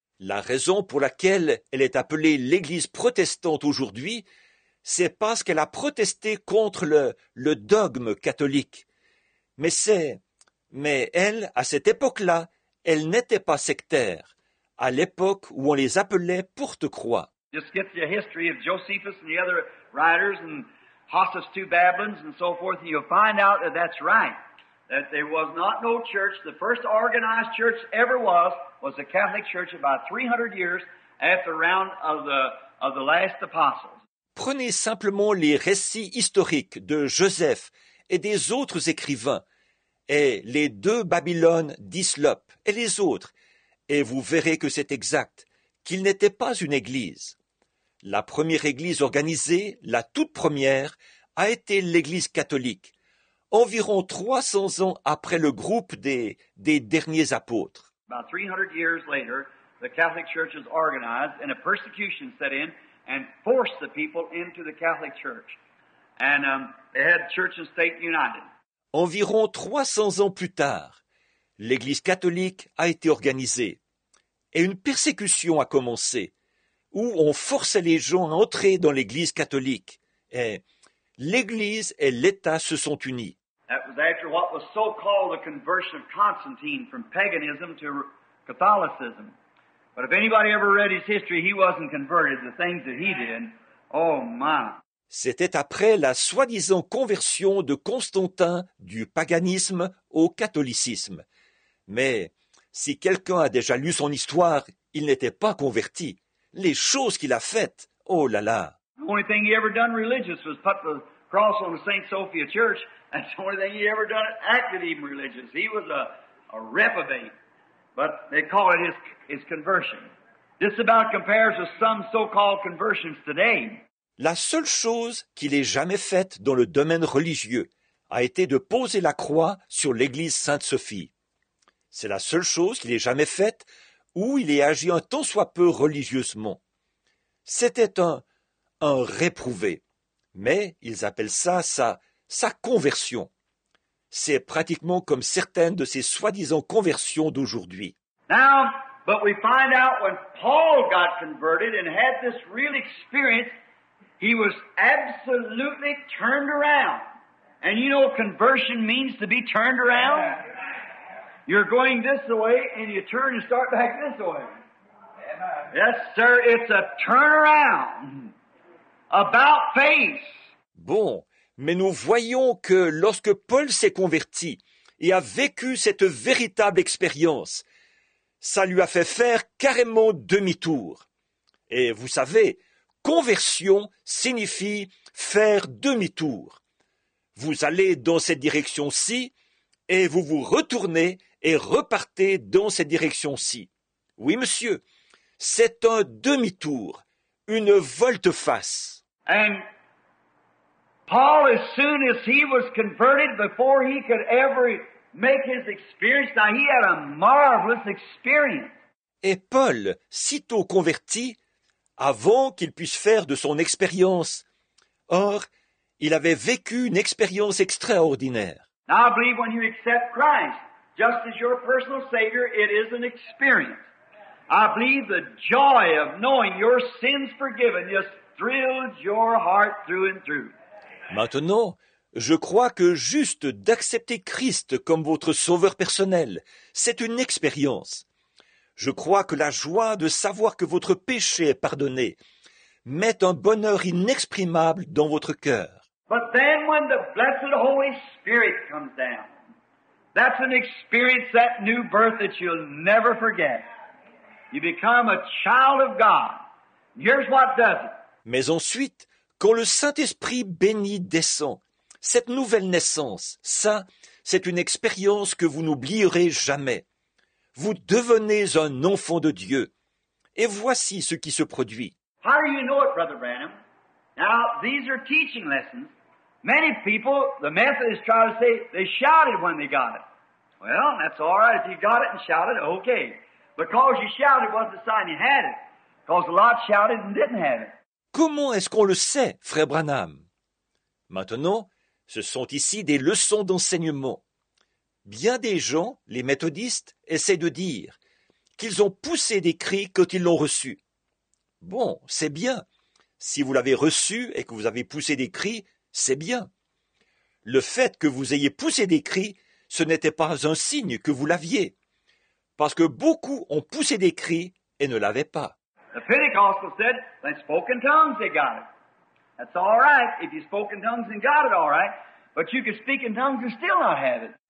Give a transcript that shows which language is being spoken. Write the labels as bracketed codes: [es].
[fr] La raison pour laquelle elle est appelée l'Église protestante aujourd'hui, c'est parce qu'elle a protesté contre le dogme catholique. Mais elle, à cette époque-là, elle n'était pas sectaire, à l'époque où on les appelait porte-croix. [en] Just get the history of Josephus and the other writers and Hostus to Babylons and so forth, and you'll find out that that's right. That there was not no church. The first organized church ever was the Catholic Church about 300 years after the round of the last apostles. [fr] Prenez simplement les récits historiques de Joseph et des autres écrivains, et les deux Babylones d'Islope et les autres, et vous verrez que c'est exact, qu'il n'était pas une église. La première église organisée, la toute première, a été l'église catholique, environ 300 ans après le groupe des derniers apôtres. [en] About 300 years later, the Catholic Church was organized and a persecution set in and forced the people into the Catholic Church. And they had church and state united. [fr] Environ 300 ans plus tard, l'Église catholique a été organisée et une persécution a commencé où on forçait les gens à entrer dans l'Église catholique et l'Église et l'État se sont unis. [en] That was after what was so-called the conversion of Constantine from paganism to Catholicism. But if anybody ever read his history, he wasn't converted. The things that he did, oh my. [fr] C'était après la soi-disant conversion de Constantin du paganisme au catholicisme. Mais si quelqu'un a déjà lu son histoire, il n'était pas converti. Les choses qu'il a faites, oh là là. [en] The only thing he ever done religious was put the cross on the Saint Sophia Church. That's the only thing he ever done acted even religious. He was a reprobate. But they call it his conversion. This about compares with some so-called conversions today. [fr] La seule chose qu'il ait jamais faite dans le domaine religieux a été de poser la croix sur l'église Sainte-Sophie. C'est la seule chose qu'il ait jamais faite où il ait agi un tant soit peu religieusement. C'était un réprouvé, mais ils appellent ça sa conversion. C'est pratiquement comme certaines de ces soi-disant conversions d'aujourd'hui. [en] Now, but we find out when Paul got converted and had this real experience, he was absolutely turned around. And you know conversion means to be turned around? You're going this way and you turn and start back this way. Amen. Yes, sir, it's a turnaround. About face. [fr] Bon, mais nous voyons que lorsque Paul s'est converti et a vécu cette véritable expérience, ça lui a fait faire carrément demi-tour. Et vous savez, conversion signifie faire demi-tour. Vous allez dans cette direction-ci et vous vous retournez et repartez dans cette direction-ci. Oui, monsieur, c'est un demi-tour, une volte-face. [en] And Paul, as soon as he was converted, before he could ever make his experience, now he had a marvelous experience. [fr] Et Paul, sitôt converti, avant qu'il puisse faire de son expérience. Or, il avait vécu une expérience extraordinaire. [en] Now I believe when you accept Christ, just as your personal Savior, it is an experience. I believe the joy of knowing your sins forgiven just thrills your heart through and through. [fr] Maintenant, je crois que juste d'accepter Christ comme votre sauveur personnel, c'est une expérience. Je crois que la joie de savoir que votre péché est pardonné met un bonheur inexprimable dans votre cœur. [en] But then when the blessed Holy Spirit comes down, that's an experience, that new birth that you'll never forget. You become a child of God. Here's what does it. [fr] Mais ensuite, quand le Saint-Esprit béni descend, cette nouvelle naissance, ça, c'est une expérience que vous n'oublierez jamais. Vous devenez un enfant de Dieu. Et voici ce qui se produit. [en] How do you know it, Brother Branham? Now, these are teaching lessons. Many people, the Methodists try to say, they shouted when they got it. Well, that's all right. If you got it and shouted, okay. Because you shouted wasn't a sign you had it. Because a lot shouted and didn't have it. [fr] Comment est-ce qu'on le sait, Frère Branham? Maintenant, ce sont ici des leçons d'enseignement. Bien des gens, les méthodistes, essaient de dire qu'ils ont poussé des cris quand ils l'ont reçu. Bon, c'est bien. Si vous l'avez reçu et que vous avez poussé des cris, c'est bien. Le fait que vous ayez poussé des cris, ce n'était pas un signe que vous l'aviez. Parce que beaucoup ont poussé des cris et ne l'avaient pas. [en] The Pentecostal said, they spoke in tongues, they got it. That's all right. If you spoke in tongues and got it, all right. But you could speak in tongues and still not have it.